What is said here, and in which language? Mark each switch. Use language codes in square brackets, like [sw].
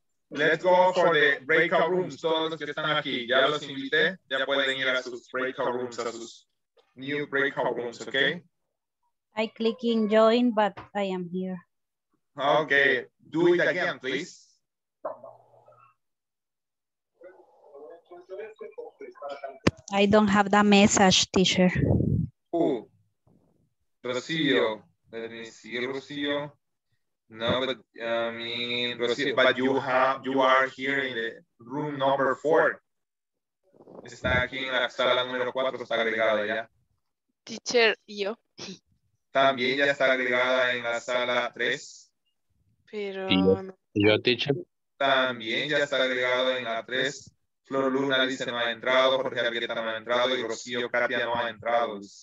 [en] Let's go for the breakout rooms. [es] Todos los que están aquí, ya los invité. Ya pueden ir a sus breakout rooms, a sus [en] new breakout rooms, ok? I click in join, but I am here. Okay, do it again, please. I don't have that message, teacher. Oh, Rocío, let me see, Rocío. No, but I mean, Rocío, but you are here in the room number 4. [es] Está aquí en la sala número 4, está agregada ya. [en] Teacher, [es] yo. También ya está agregada en la sala 3. Pero... Yo, [en] teacher. [es] También ya está agregada en la 3. Flor Luna dice no ha entrado, Jorge Arrieta no ha entrado y Rocío Katia no ha entrado.